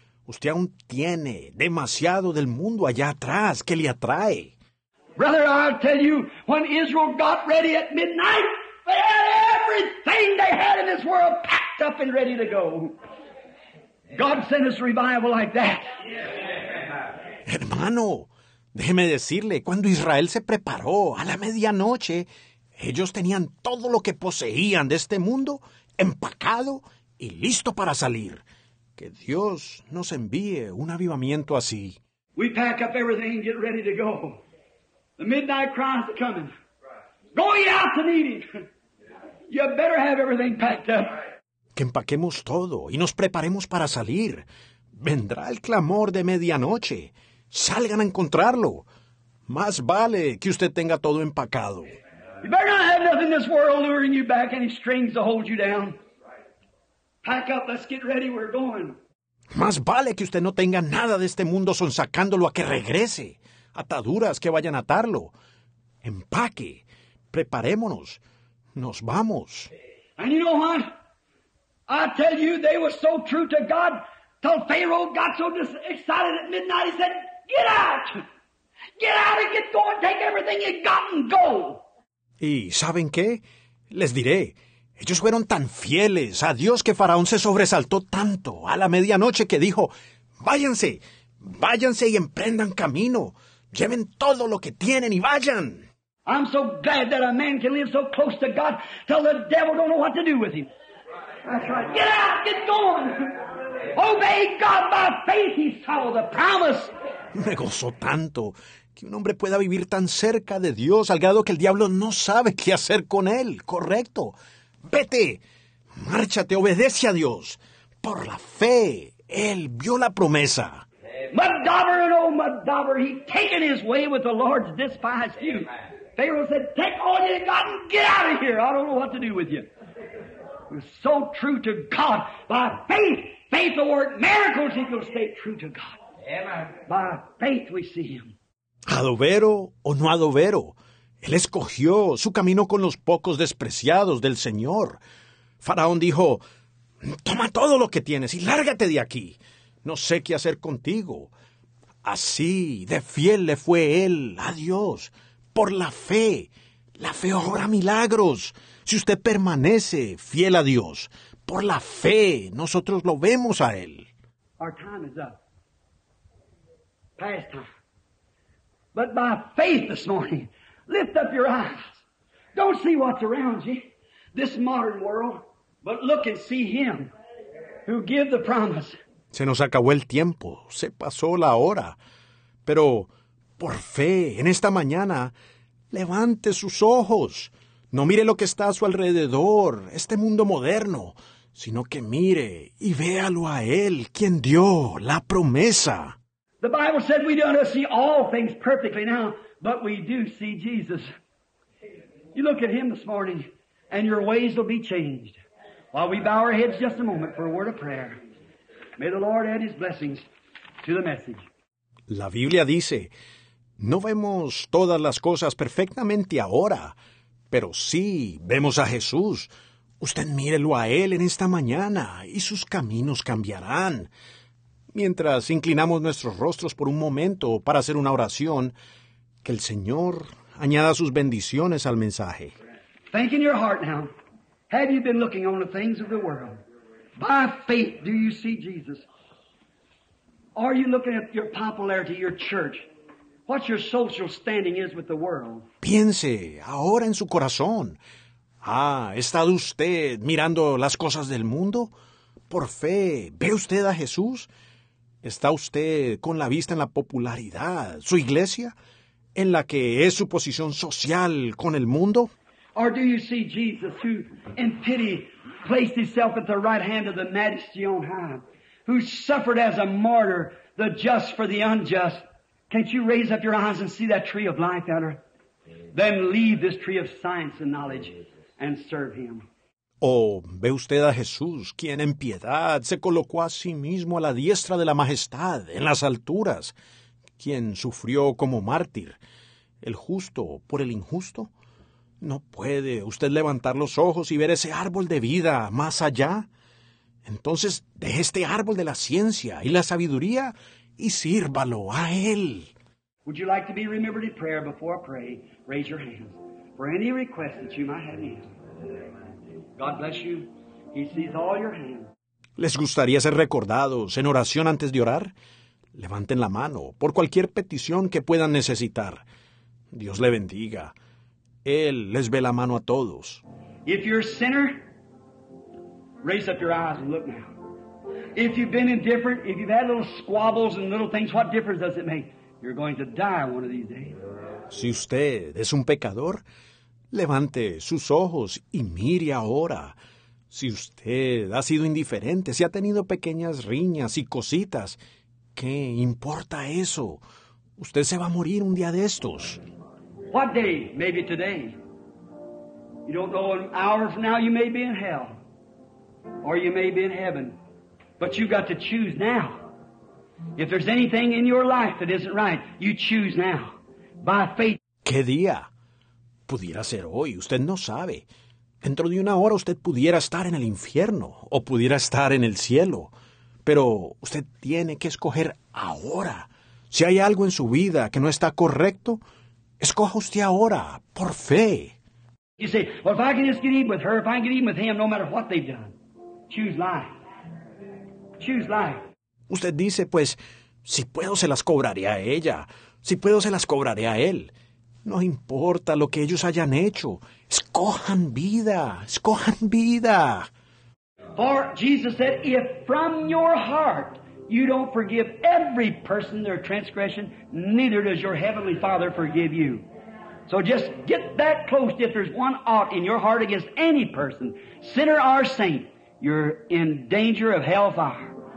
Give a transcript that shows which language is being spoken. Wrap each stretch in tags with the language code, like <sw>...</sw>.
<es>Usted aún tiene demasiado del mundo allá atrás que le atrae.</es> <en>Brother, I'll tell you, when Israel got ready at midnight, they had everything they had in this world packed up and ready to go. God sent us revival like that.</en> <es>Hermano, déjeme decirle, cuando Israel se preparó a la medianoche, ellos tenían todo lo que poseían de este mundo empacado y listo para salir. Que Dios nos envíe un avivamiento así.</es> <en>We pack up everything and get ready to go. The midnight cry is coming. Go ye out to meet him. You better have everything packed up.</en> <es>Que empaquemos todo y nos preparemos para salir. Vendrá el clamor de medianoche. Salgan a encontrarlo. Más vale que usted tenga todo empacado.</es> <en>You better not have nothing in this world luring you back, any strings to hold you down. Pack up, let's get ready, we're going.</en> <es>Más vale que usted no tenga nada de este mundo sonsacándolo a que regrese. Ataduras que vayan a atarlo. Empaque. Preparémonos. Nos vamos.</es> <en>And you know what? I tell you, they were so true to God, till Pharaoh got so excited at midnight, he said, get out! Get out and get going, take everything you got and go!</en> <es>¿Y saben qué? Les diré, ellos fueron tan fieles a Dios que Faraón se sobresaltó tanto a la medianoche que dijo, váyanse, váyanse y emprendan camino, lleven todo lo que tienen y vayan.</es> <en>I'm so glad that a man can live so close to God till the devil don't know what to do with him. That's right. Get out, get going. Obey God by faith, he saw the promise.</en> <es>Me gozó tanto que un hombre pueda vivir tan cerca de Dios al grado que el diablo no sabe qué hacer con él. Correcto. Vete, márchate, obedece a Dios. Por la fe, él vio la promesa.</es> <en>Madaber and oh, Madaber, he taken his way with the Lord's despised you. Pharaoh said, take all you got and get out of here. I don't know what to do with you. It was so true to God. By faith, faith will work miracles if you'll stay true to God. Amen. By faith we see him.</en> <es>Adobero o no adobero, él escogió su camino con los pocos despreciados del Señor. Faraón dijo, toma todo lo que tienes y lárgate de aquí. No sé qué hacer contigo. Así de fiel le fue él a Dios. Por la fe obra milagros. Si usted permanece fiel a Dios, por la fe, nosotros lo vemos a Él.</es> <en>Our time is up. Past time. But by faith this morning, lift up your eyes. Don't see what's around you, this modern world, but look and see Him who gave the promise.</en> <es>Se nos acabó el tiempo, se pasó la hora, pero por fe, en esta mañana, levante sus ojos. No mire lo que está a su alrededor, este mundo moderno, sino que mire y véalo a Él, quien dio la promesa.</es> <en>The Bible said we don't see all things perfectly now, but we do see Jesus. You look at Him this morning, and your ways will be changed. While we bow our heads just a moment for a word of prayer, may the Lord add His blessings to the message.</en> <es>La Biblia dice, no vemos todas las cosas perfectamente ahora, pero sí vemos a Jesús. Usted mírelo a Él en esta mañana y sus caminos cambiarán. Mientras inclinamos nuestros rostros por un momento para hacer una oración, que el Señor añada sus bendiciones al mensaje.</es> <en>Think in your heart now. Have you been looking on the things of the world? By faith do you see Jesus? Are you looking at your popularity, your church? What your social standing is with the world.</en> <es>Piense ahora en su corazón. ¿Ha estado usted mirando las cosas del mundo? Por fe, ¿ve usted a Jesús? ¿Está usted con la vista en la popularidad, su iglesia, en la que es su posición social con el mundo?</es> <en>Or do you see Jesus who, in pity, placed himself at the right hand of the majesty on high, who suffered as a martyr, the just for the unjust? Can't you raise up your eyes and see that tree of life, Elder? Then leave this tree of science and knowledge and serve Him.</en> <es>Oh, ¿ve usted a Jesús, quien en piedad se colocó a sí mismo a la diestra de la majestad en las alturas, quien sufrió como mártir, el justo por el injusto? ¿No puede usted levantar los ojos y ver ese árbol de vida más allá? Entonces, deje este árbol de la ciencia y la sabiduría y sírvalo a Él.</es> <en>Would you like to be remembered in prayer before I pray? Raise your hands for any request that you might have in. God bless you. He sees all your hands.</en> <es>¿Les gustaría ser recordados en oración antes de orar? Levanten la mano por cualquier petición que puedan necesitar. Dios le bendiga. Él les ve la mano a todos.</es> <en>If you're a sinner, raise up your eyes and look now. If you've been indifferent, if you've had little squabbles and little things, what difference does it make? You're going to die one of these days.</en> <es>Si usted es un pecador, levante sus ojos y mire ahora. Si usted ha sido indiferente, si ha tenido pequeñas riñas y cositas, ¿qué importa eso? Usted se va a morir un día de estos.</es> <en>What day? Maybe today. You don't know, an hour from now you may be in hell. Or you may be in heaven. But you've got to choose now. If there's anything in your life that isn't right, you choose now. By faith.</en> <es>¿Qué día? Pudiera ser hoy. Usted no sabe. Dentro de una hora usted pudiera estar en el infierno o pudiera estar en el cielo. Pero usted tiene que escoger ahora. Si hay algo en su vida que no está correcto, escoja usted ahora, por fe.</es> <en>You say, well, if I can just get even with her, if I can get even with him, no matter what they've done, choose life. Choose life.</en> <es>Usted dice, pues, si puedo, se las cobraré a ella. Si puedo, se las cobraré a él. No importa lo que ellos hayan hecho. Escojan vida. Escojan vida.</es> <en>For Jesus said, if from your heart you don't forgive every person their transgression, neither does your heavenly Father forgive you. So just get that close. If there's one ought in your heart against any person, sinner or saint, you're in danger of hellfire.</en>